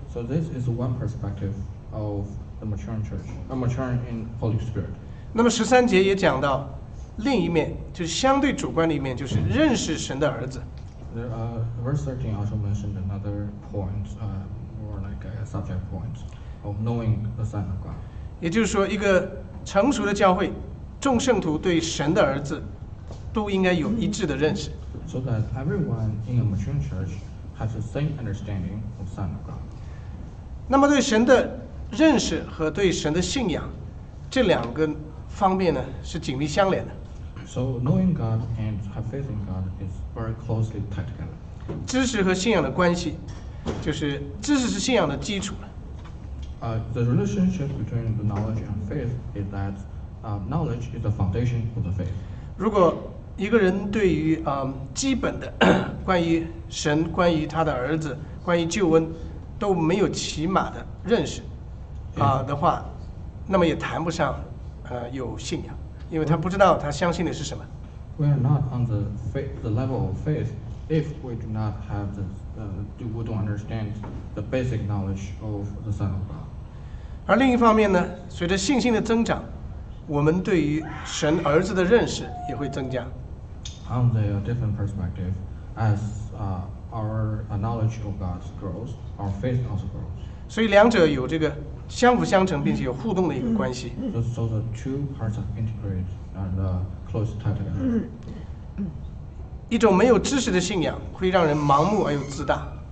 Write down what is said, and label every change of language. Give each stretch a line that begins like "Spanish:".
English: So this is one perspective of the mature church, a mature in Holy Spirit.
Chinese: 那么十三节也讲到另一面，就是相对主观的一面，就是认识神的儿子。
English: Verse 13 also mentioned another point, more like a subject point of knowing the Son of God.
Chinese: 也就是说，一个成熟的教会，众圣徒对神的儿子都应该有一致的认识。
English: So that everyone in a mature church has the same understanding of Son of God.
Chinese: 那么对神的认识和对神的信仰这两个方面呢，是紧密相连的。
English: So knowing God and have faith in God is very closely tied together.
Chinese: 知识和信仰的关系，就是知识是信仰的基础。
English: The relationship between the knowledge and faith is that knowledge is the foundation of the faith.
Chinese: 如果一个人对于基本的关于神、关于他的儿子、关于救恩都没有起码的认识的话，那么也谈不上有信仰。因为他不知道他相信的是什么。
English: We are not on the level of faith if we do not have we don't understand the basic knowledge of the Son of God.
Chinese: 而另一方面呢，随着信心的增长，我们对于神儿子的认识也会增加。
English: On the different perspective, as our knowledge of God grows, our faith also grows.
Chinese: 所以两者有这个。相辅相成，并且有互动的一个关系。
English: So the two parts are integrated and close tied together.
Chinese: 一种没有知识的信仰会让人盲目而又自大。